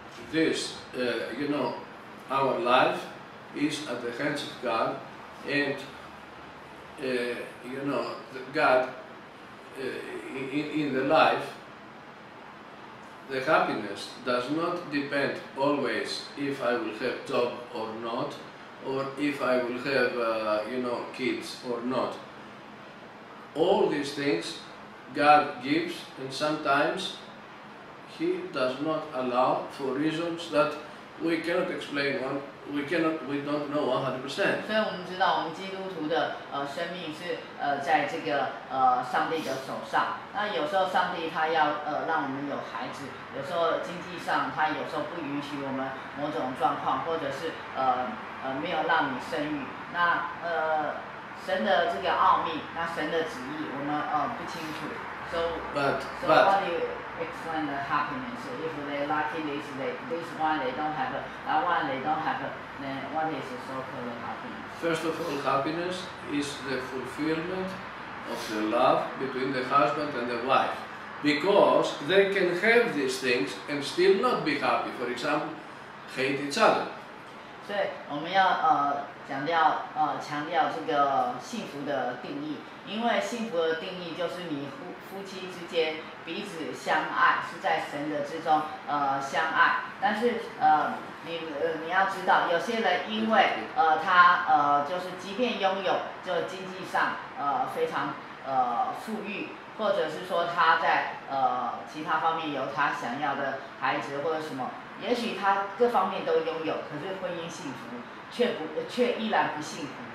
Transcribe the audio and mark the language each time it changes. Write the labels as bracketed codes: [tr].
[en] This, you know, our life is at the hands of God, and you know, God in the life, the happiness does not depend always if I will have job or not, or if I will have you know, kids or not. All these things God gives, and sometimes He does not allow for reasons that we cannot explain. We don't know 100%. [zh] 所以我们知道，我们基督徒的生命是在这个上帝的手上。那有时候上帝他要让我们有孩子，有时候经济上他有时候不允许我们某种状况，或者是没有让你生育。那神的这个奥秘，那神的旨意，我们不清楚。 [en] Explain the happiness. If they lucky, this one they don't have it. That one they don't have it. Then what is the so-called happiness? First of all, happiness is the fulfillment of the love between the husband and the wife, because they can have these things and still not be happy. For example, hate each other. [zh] 所以我们要强调这个幸福的定义，因为幸福的定义就是你夫妻之间彼此相爱，是在神的之中相爱。但是你要知道，有些人因为他就是即便拥有，就经济上非常富裕，或者是说他在其他方面有他想要的孩子或者什么，也许他各方面都拥有，可是婚姻幸福却依然不幸福。